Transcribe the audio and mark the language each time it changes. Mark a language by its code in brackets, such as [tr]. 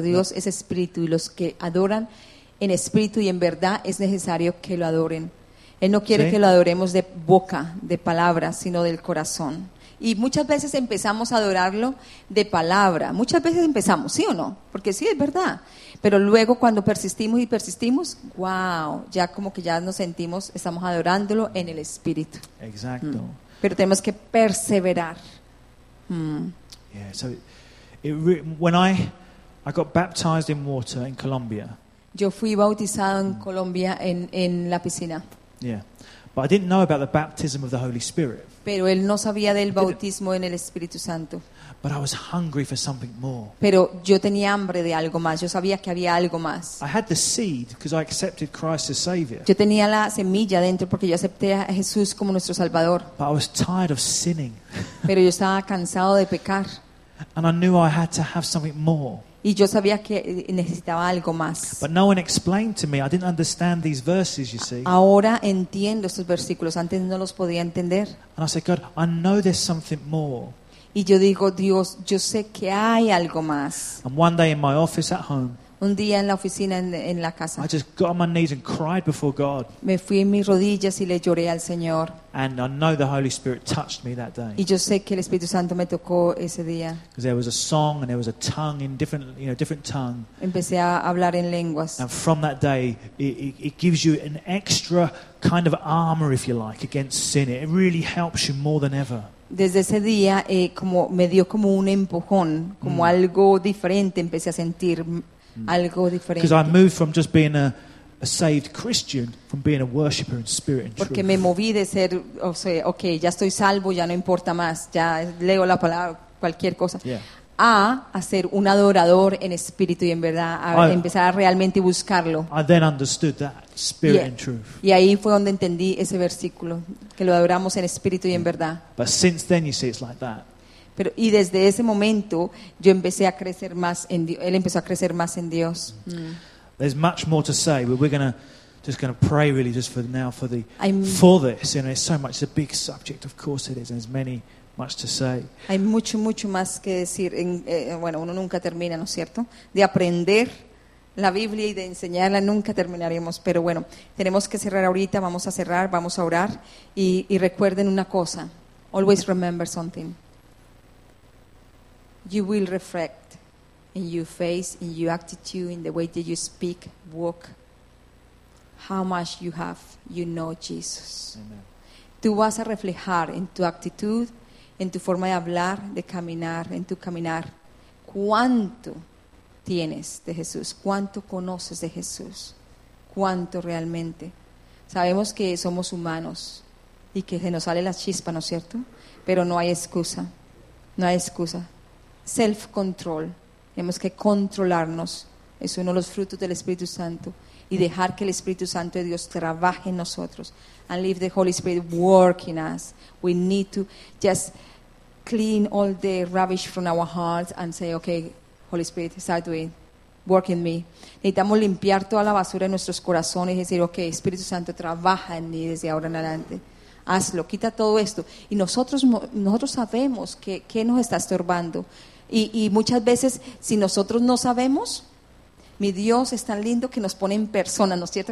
[es] Dios es espíritu y los que adoran en espíritu y en verdad es necesario que lo adoren. Él no quiere que lo adoremos de boca, de palabras, sino del corazón Y muchas veces empezamos a adorarlo de palabra. Muchas veces empezamos, ¿sí o no? Porque sí, es verdad. Pero luego cuando persistimos y persistimos, wow, ya como que ya nos sentimos, estamos adorándolo en el Espíritu. Exacto. Pero tenemos que perseverar. [en] Yeah, so when I got baptized in water in Colombia. [es] Yo fui bautizado en Colombia en la piscina. [en] Yeah. But I didn't know about the baptism of the Holy Spirit. [es] Pero él no sabía del bautismo en el Espíritu Santo. [en] But I was hungry for something more. [es] Pero yo tenía hambre de algo más. Yo sabía que había algo más. [en] I had the seed because I accepted Christ as Savior. [es] Yo tenía la semilla dentro porque yo acepté a Jesús como nuestro Salvador. [en] But I was tired of sinning. [es] Pero yo estaba cansado de pecar. [en] And I knew I had to have something more. [es] Y yo sabía que necesitaba algo más. [en] But no one explained to me. I didn't understand these verses, you see. [es] Ahora entiendo estos versículos. Antes no los podía entender. [en] And I said, God, I know there's something more. [es] Y yo digo, Dios, yo sé que hay algo más. [en] And one day in my office at home, [es] un día en la oficina en la casa, [en] I just got on my knees and cried before God. [es] Me fui en mis rodillas y le lloré al Señor. [en] And I know the Holy Spirit touched me that day. [es] Y yo sé que el Espíritu Santo me tocó ese día. [en] Because there was a song and there was a tongue in different, you know, different tongue. [es] Empecé a hablar en lenguas. [en] And from that day, it gives you an extra kind of armor, if you like, against sin. It really helps you more than ever. [es] Desde ese día, como me dio como un empujón, como algo diferente, empecé a sentir algo diferente. [en] Because I moved from just being a saved Christian, from being a worshipper in spirit and truth. [es] Porque me moví de ser, o sea, okay, ya estoy salvo, ya no importa más, ya leo la palabra, cualquier cosa. [en] Yeah. [es] A ser un adorador en espíritu y en verdad, empezar a realmente buscarlo. [en] I then understood that spirit and truth. [es] Y ahí fue donde entendí ese versículo, que lo adoramos en espíritu y en verdad. [en] But since then, you see, it's like that. [es] Pero, y desde ese momento yo empecé a crecer más en Dios. Él empezó a crecer más en Dios. [en] There's much more to say, but we're just gonna pray really just for now for this. You know, it's so much, it's a big subject, of course it is, and there's much to say. [es] Hay mucho más que decir. Bueno, uno nunca termina, ¿no es cierto? De aprender la Biblia y de enseñarla nunca terminaremos. Pero bueno, tenemos que cerrar ahorita. Vamos a cerrar, vamos a orar y recuerden una cosa. [en] Always remember something. You will reflect in your face, in your attitude, in the way that you speak, walk, how much you have, you know Jesus. Amen. [es] Tú vas a reflejar en tu actitud, en tu forma de hablar, de caminar, en tu caminar, cuánto tienes de Jesús, cuánto conoces de Jesús, cuánto realmente. Sabemos que somos humanos y que se nos sale la chispa, ¿no es cierto? Pero no hay excusa, no hay excusa. Self-control, tenemos que controlarnos, es uno de los frutos del Espíritu Santo, y dejar que el Espíritu Santo de Dios trabaje en nosotros. [en] And leave the Holy Spirit work in us. We need to just clean all the rubbish from our hearts and say, okay, Holy Spirit, start doing, work in me. [es] Necesitamos limpiar toda la basura de nuestros corazones y decir, okay, Espíritu Santo, trabaja en mí desde ahora en adelante. Hazlo, quita todo esto. Y nosotros sabemos qué nos está estorbando. Y muchas veces, si nosotros no sabemos, mi Dios es tan lindo que nos pone en persona, ¿no es cierto?